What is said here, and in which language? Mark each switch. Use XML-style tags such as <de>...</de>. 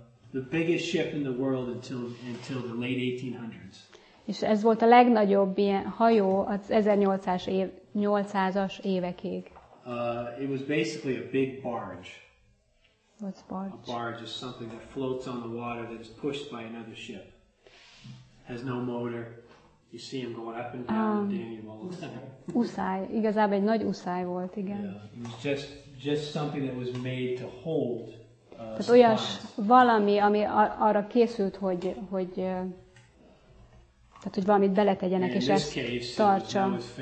<en>The biggest ship in the world until the late 1800s.</en> <hu>És ez volt a legnagyobb ilyen hajó az 1800-as évekig.</hu> <en>It was basically a big barge. What's barge? A barge is something that floats on the water that is pushed by another ship. Has no motor. You see him going up and down with Daniel all the time.</en> <hu>Uszály. Igazából egy nagy uszály volt, igen.</hu> <en>Yeah. It was just something that was made to hold</en> <hu>Tehát olyas valami, ami arra készült, hogy tehát, hogy valamit beletegyenek, és ezt tartsa.</hu>